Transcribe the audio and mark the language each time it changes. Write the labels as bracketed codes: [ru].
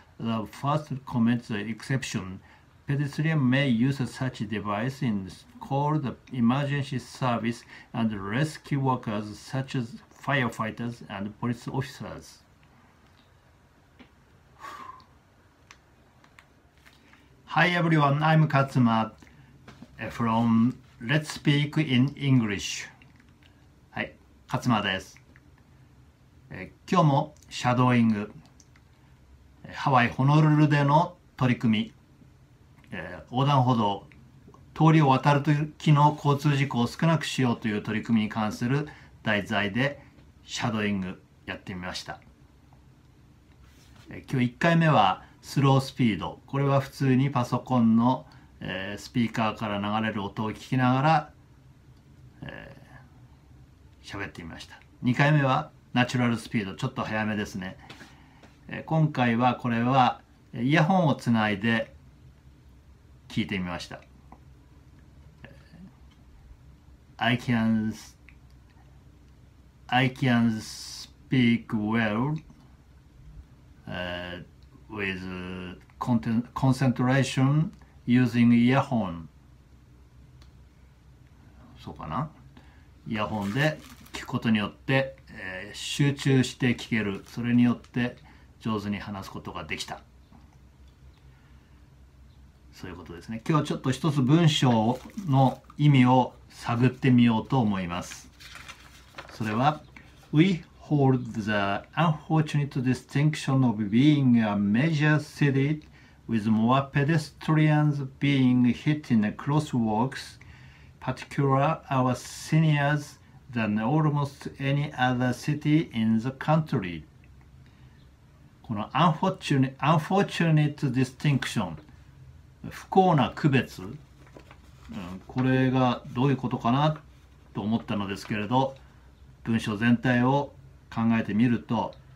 [en] The first comments the exception. Pedestrians may use such device in call the emergency service and rescue workers such as firefighters and police officers." Hi everyone, I'm Katsuma from Let's Speak in English. [ja] はい、勝間です。今日もシャドーイング、ハワイ・ホノルルでの取り組み、横断歩道、通りを渡るときの交通事故を少なくしようという取り組みに関する題材でシャドーイングやってみました。今日1回目はスロースピード。これは普通にパソコンのスピーカーから流れる音を聞きながら喋ってみました。 2回目はナチュラルスピード、ちょっと早めですね。今回はこれはイヤホンをつないで聞いてみました。 [en] I can I can speak well with concentration using earphone. [ja] そうかな。イヤホンで聞くことによって、集中して聞ける。それによって上手に話すことができた。そういうことですね。今日はちょっと一つ文章の意味を探ってみようと思います。それは、 [en] We hold the unfortunate distinction of being a major city with more pedestrians being hit in the crosswalks, particular our seniors than almost any other city in the country. [ja] この [en] unfortunate distinction、 [ja] 不幸な区別、これがどういうことかなと思ったのですけれど、文章全体を考えてみると、